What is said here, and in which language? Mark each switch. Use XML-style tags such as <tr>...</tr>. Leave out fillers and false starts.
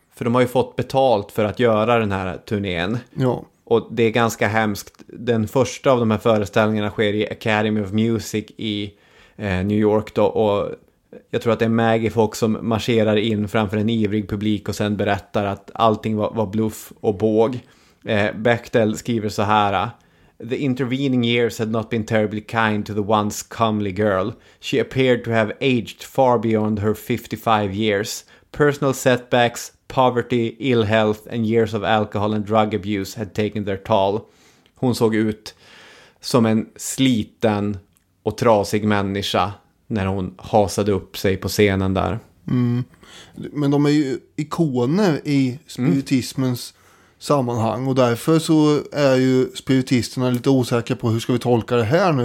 <sv>För de har ju fått betalt för att göra den här turnén. Ja. Och det är ganska hemskt. Den första av de här föreställningarna sker i Academy of Music i New York då. Och jag tror att det är Maggie Fox som marscherar in framför en ivrig publik och sen berättar att allting var bluff och båg.</sv> <en>Bechdel skriver så här: "The intervening years had not been terribly kind to the once comely girl. She appeared to have aged far beyond her 55 years. Personal setbacks, poverty, ill health and years of alcohol and drug abuse had taken their toll."</en> <sv>Hon såg ut som en sliten och trasig människa när hon hasade upp sig på scenen där. Mm. Men de är ju ikoner i spiritismens sammanhang. Och därför så är ju spiritisterna lite osäkra på hur ska vi tolka det här nu?</sv>